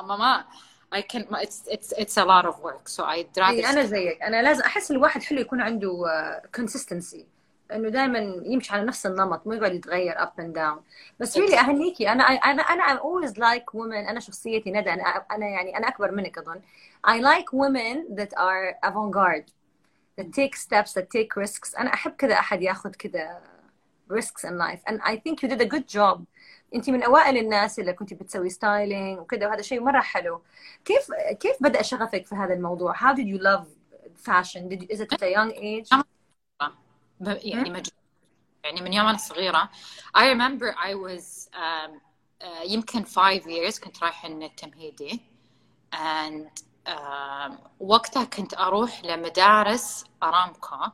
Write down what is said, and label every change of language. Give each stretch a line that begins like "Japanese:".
Arabic: أما ما
English: I can it's a lot of work so I'd rather.
Arabic: أنا زيك، أنا لازم أحس الواحد حلو يكون عنده consistency انه دائما يمشي على نفس النمط مو يقعد يتغير
English: up and down.
Arabic: بس ريلي really اهنيكي. انا
English: I'm always like women.
Arabic: انا شخصيتي ندى, انا يعني انا اكبر منك اظن.
English: I like women that are avant-garde, that take steps, that take risks.
Arabic: انا احب كذا احد ياخذ كذا
English: risks in life, and I think you did a good job.
Arabic: انت من اوائل الناس اللي كنت بتسوي styling وكذا, وهذا شيء مره حلو. كيف بدا شغفك في هذا الموضوع؟
English: How did you love fashion? Is it at a young age?
Arabic: يعني يعني من يوم أنا صغيرة.
English: I remember I was
Arabic: يمكن
English: 5 years
Arabic: كنت رايحة التمهيدي, and وقتها كنت أروح لمدارس أرامكو.